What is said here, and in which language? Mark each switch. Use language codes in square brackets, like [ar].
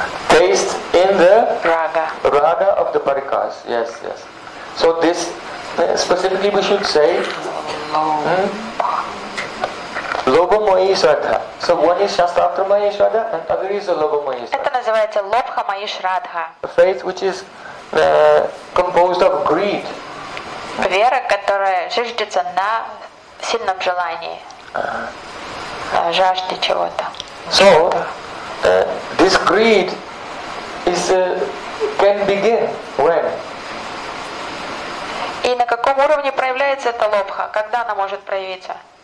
[en] Taste in the raga. Raga of the parikaras. Yes, yes. So this specifically we should say. [sa] Лобхамаишрадха. [en] So one is Shastratramayishrada and other is Лобхамаишрадха. [ru] Это называется Лобхамаишрадха. [en] Faith which is composed of greed. [ru] Вера, которая зиждется на сильном желании. Жажде чего-то. [en] So, this greed can begin when? [ru] И на каком уровне проявляется эта лобха? Когда она может проявиться?